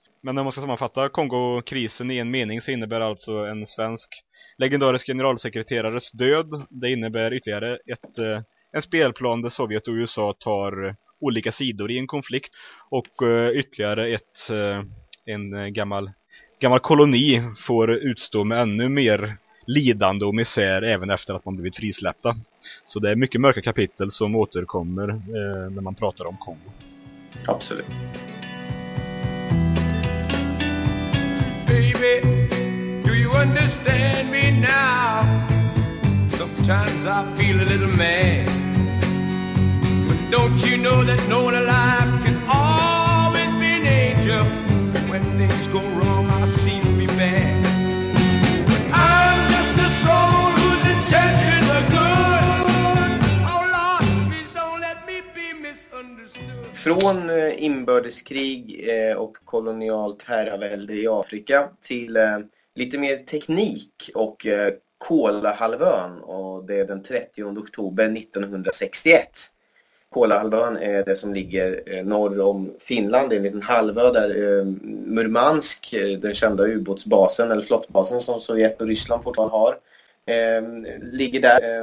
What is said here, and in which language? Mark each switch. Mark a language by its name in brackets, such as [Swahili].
[Swedish] Men om man ska sammanfatta Kongokrisen i en mening, så innebär alltså en svensk legendarisk generalsekreterares död, det innebär ytterligare en spelplan där Sovjet och USA tar olika sidor i en konflikt, och ytterligare en gammal koloni får utstå med ännu mer lidande och misär även efter att man blivit frisläppta. Så det är mycket mörka kapitel som återkommer när man pratar om Kongo. Absolut. [English] Baby, do you understand me now? Sometimes I feel a little mad. But don't you know that no one alive can always be an angel? When things go wrong, I seem to be bad. I'm just a soul whose intentions are good. Oh Lord, please don't let me be misunderstood. [Swedish] Från inbördeskrig och kolonialt herravälde i Afrika till lite mer teknik och Kolahalvön, och det är den 30 oktober 1961. Kolahalvön är det som ligger norr om Finland, en liten halvö där Murmansk, den kända ubåtsbasen eller flottbasen som Sovjet och Ryssland fortfarande har, ligger där.